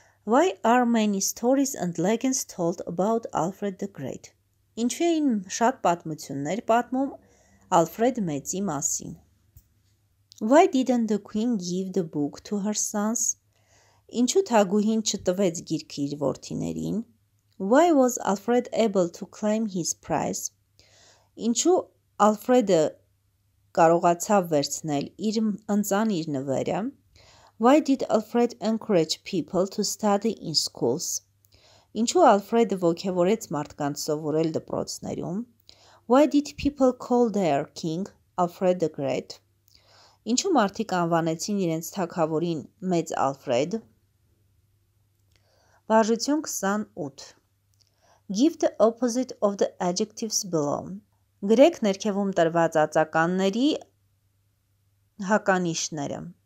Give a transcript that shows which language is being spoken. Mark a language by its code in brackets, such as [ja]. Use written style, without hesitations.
[en] Why are many stories and legends told about Alfred the Great? [hy] Ինչու էին շատ պատմություններ պատմում Ալֆրեդ մեծի մասին? [en] Why didn't the queen give the book to her sons? [hy] Ինչու թագուհին չտվեց գիրքը իր որդիներին? [en] Why was Alfred able to claim his prize? [hy] Ինչու Ալֆրեդը կարողացավ վերցնել իր ընծան իր նվերը? [en] Why did Alfred encourage people to study in schools? [hy] Ինչու Ալֆրեդը ոգևորեց մարդկանց սովորել դպրոցներում? [en] Why did people call their king Alfred the Great? [hy] Ինչու մարդիկ անվանեցին իրենց թագավորին մեծ Ալֆրեդ? Վարժություն 28. [en] Give the opposite of the adjectives below. [hy] Գրեք ներքևում տրված ածականների հականիշները.